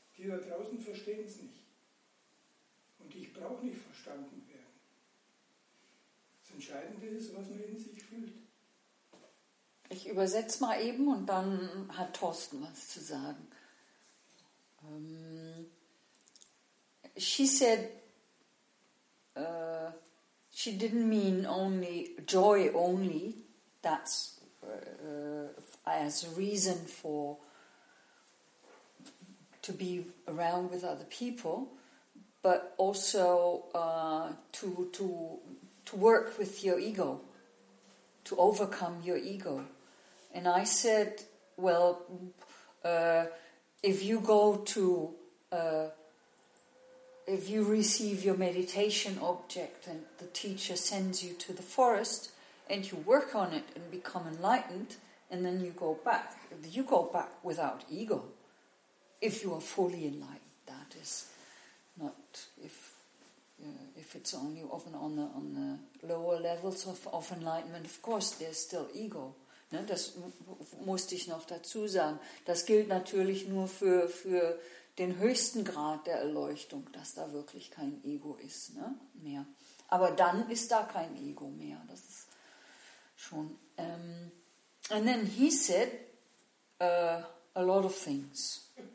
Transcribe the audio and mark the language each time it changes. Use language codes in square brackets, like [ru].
[de] Die da draußen verstehen es nicht. Und ich brauche nicht verstanden werden. Das Entscheidende ist, was man in sich fühlt. Ich übersetze mal eben und dann hat Thorsten was zu sagen. [en] She said, she didn't mean only joy only, that's as a reason for to be around with other people, but also to work with your ego, to overcome your ego. And I said, well, if you go to if you receive your meditation object and the teacher sends you to the forest and you work on it and become enlightened, and then you go back without ego. If you are fully enlightened, that is not, if it's only often on the lower levels of enlightenment, of course there's still ego. [de] Ne? Das musste ich noch dazu sagen. Das gilt natürlich nur für den höchsten Grad der Erleuchtung, dass da wirklich kein Ego ist, ne? Mehr. Aber dann ist da kein Ego mehr. Das ist schon. [en] And then he said a lot of things.